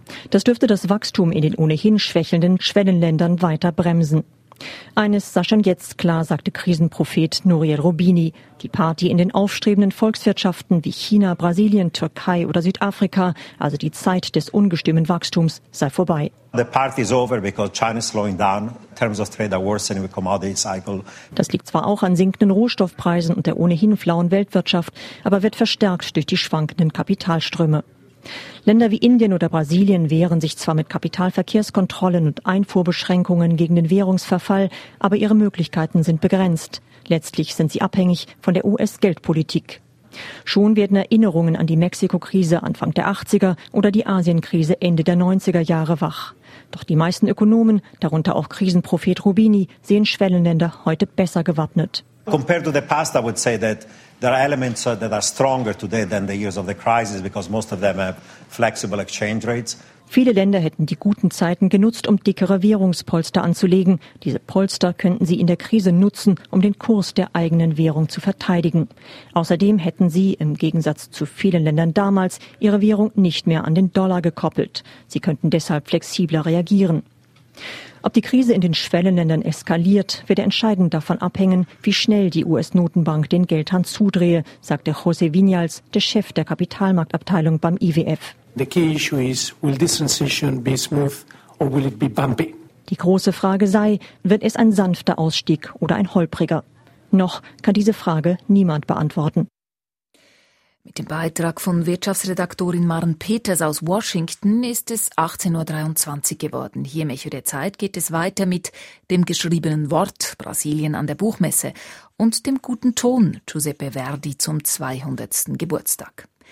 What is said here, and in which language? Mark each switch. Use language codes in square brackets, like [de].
[de] Das dürfte das Wachstum in den ohnehin schwächelnden Schwellenländern weiter bremsen. Eines sei schon jetzt klar, sagte Krisenprophet Nouriel Roubini. Die Party in den aufstrebenden Volkswirtschaften wie China, Brasilien, Türkei oder Südafrika, also die Zeit des ungestümen Wachstums, sei vorbei. [en] The party is over because China is slowing down in terms of trade, a worsening commodity cycle. [de] Das liegt zwar auch an sinkenden Rohstoffpreisen und der ohnehin flauen Weltwirtschaft, aber wird verstärkt durch die schwankenden Kapitalströme. Länder wie Indien oder Brasilien wehren sich zwar mit Kapitalverkehrskontrollen und Einfuhrbeschränkungen gegen den Währungsverfall, aber ihre Möglichkeiten sind begrenzt. Letztlich sind sie abhängig von der US-Geldpolitik. Schon werden Erinnerungen an die Mexiko-Krise Anfang der 80er oder die Asien-Krise Ende der 90er Jahre wach. Doch die meisten Ökonomen, darunter auch Krisenprophet Roubini, sehen Schwellenländer heute besser gewappnet. [en] Compared to the past, I would say that there are elements that are stronger today than the years of the crisis because most of them have flexible exchange rates. [de] Viele Länder hätten die guten Zeiten genutzt, um dickere Währungspolster anzulegen. Diese Polster könnten sie in der Krise nutzen, um den Kurs der eigenen Währung zu verteidigen. Außerdem hätten sie, im Gegensatz zu vielen Ländern damals, ihre Währung nicht mehr an den Dollar gekoppelt. Sie könnten deshalb flexibler reagieren. Ob die Krise in den Schwellenländern eskaliert, werde entscheidend davon abhängen, wie schnell die US-Notenbank den Geldhahn zudrehe, sagte José Viñals, der Chef der Kapitalmarktabteilung beim IWF. [en] The key issue is, will this transition be smooth or will it be bumpy? [de] Die große Frage sei, wird es ein sanfter Ausstieg oder ein holpriger? Noch kann diese Frage niemand beantworten. Mit dem Beitrag von Wirtschaftsredaktorin Maren Peters aus Washington ist es 18.23 Uhr geworden. Hier im Echo der Zeit geht es weiter mit dem geschriebenen Wort Brasilien an der Buchmesse und dem guten Ton Giuseppe Verdi zum 200. Geburtstag.